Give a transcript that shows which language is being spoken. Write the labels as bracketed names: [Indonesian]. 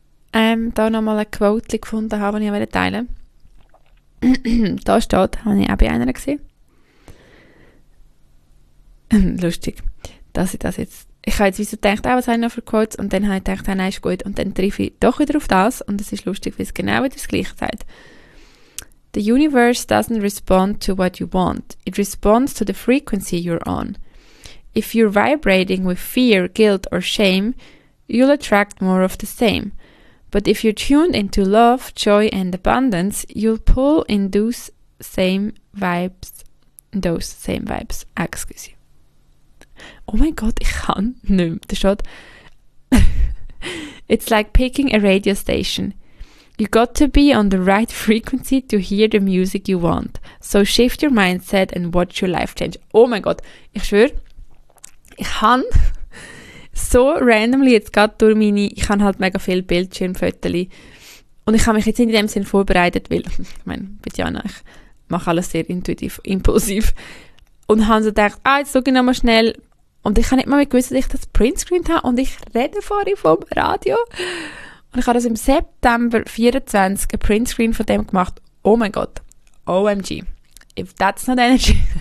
[German] Da noch mal eine Quote gefunden habe, die ich teilen wollte. Da steht, habe ich auch bei einer gesehen. Lustig, dass ich das jetzt... Ich habe jetzt wieso gedacht, was habe ich noch für Quotes? Und dann habe ich gedacht, nein, ist gut. Und dann treffe ich doch wieder auf das. Und es ist lustig, weil es genau wieder das Gleiche sagt. [English] The universe doesn't respond to what you want. It responds to the frequency you're on. If you're vibrating with fear, guilt or shame, you'll attract more of the same. But if you're tuned into love, joy and abundance, you'll pull in those same vibes. Those same vibes. Excuse you. Oh my god, [German] ich kann nicht mehr. Das steht. [English] It's like picking a radio station. You got to be on the right frequency to hear the music you want. So shift your mindset and watch your life change. [German] Oh mein Gott, ich schwöre. Ich kann so randomly jetzt gerade durch meine, ich habe halt mega viele Bildschirmfotos und ich habe mich jetzt in dem Sinn vorbereitet, weil, ich meine, bei Diana, ich mache alles sehr intuitiv, impulsiv und habe so gedacht, jetzt schaue ich nochmal schnell und ich habe nicht mal gewusst, dass ich das Printscreen habe und ich rede vorhin vom Radio und ich habe das im September 24 ein Printscreen von dem gemacht. Oh mein Gott, OMG, [English] if that's not energy.